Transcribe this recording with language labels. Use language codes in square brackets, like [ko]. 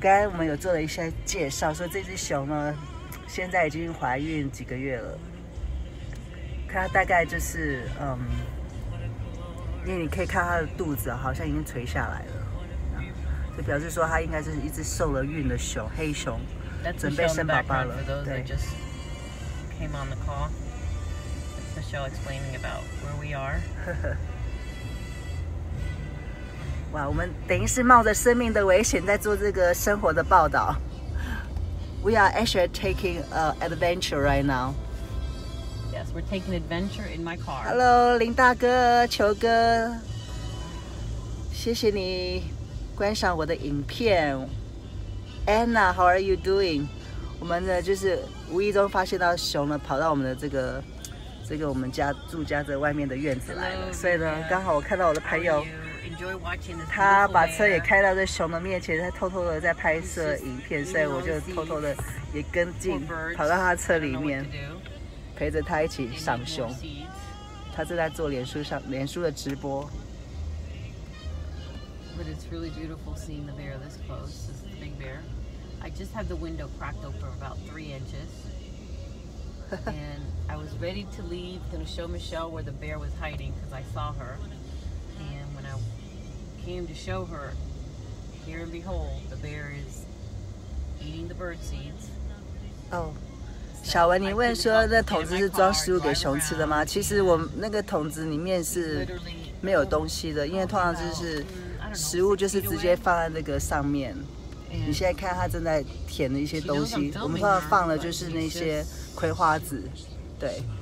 [zh] 我们有做了一些介绍，说这只熊呢，现在已经怀孕几个月了。它大概就是，因为你可以看它的肚子好像已经垂下来了，就表示说它应该是一只受了孕的熊，黑熊，准备生宝宝了，对。 [en] Came on the call. It's the show explaining about where we are. [zh] 哇，我们等于是冒着生命的危险在做这个生活的报道。 [en] We are actually taking an adventure right now. Yes, we're taking adventure in my car. Hello, [zh] 林大哥、球哥，谢谢你观赏我的影片。 [en] Anna, how are you doing? [zh] 我们呢就是。无意中发现到熊呢跑到我们的这个我们家住家的外面的院子来了。 [en] Hello, [zh] 所以呢刚好我看到我的朋友，他把车也开到这熊的面前，他偷偷的在拍摄影片，所以我就偷偷的也跟进跑到他车里面陪着他一起赏熊。他正在做脸书的直播。 [en] But it's really beautiful seeing the bear this close. This is the big bear. I just had the window cracked open about 3 inches. And I was ready to leave to show Michelle where the bear was hiding because I saw her. And when I came to show her, here and behold, the bear is eating the bird seeds. Oh. [zh] 小文，你问说那桶子是装食物给熊吃的吗？其实我那个桶子里面是没有东西的，因为通常就是食物就是直接放在那个上面。你现在看他正在舔的一些东西，我们放的就是那些葵花籽，对。